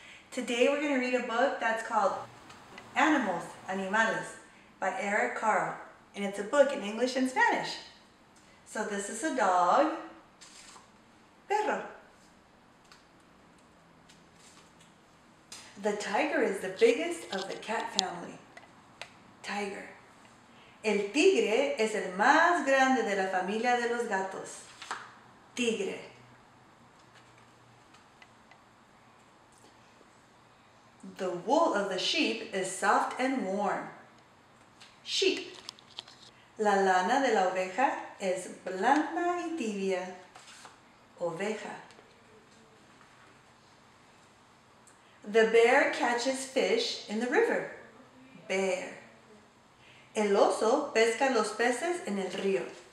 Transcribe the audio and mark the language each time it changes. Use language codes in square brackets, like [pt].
[en] Today we're going to read a book that's called Animals, Animales by Eric Carle. And it's a book in English and Spanish. So this is a dog. Perro. The tiger is the biggest of the cat family. Tiger. [es] El tigre es el más grande de la familia de los gatos. Tigre. [en] The wool of the sheep is soft and warm. Sheep. [es] La lana de la oveja es blanda y tibia. Oveja. [en] The bear catches fish in the river. Bear. [es] El oso pesca los peces en el río.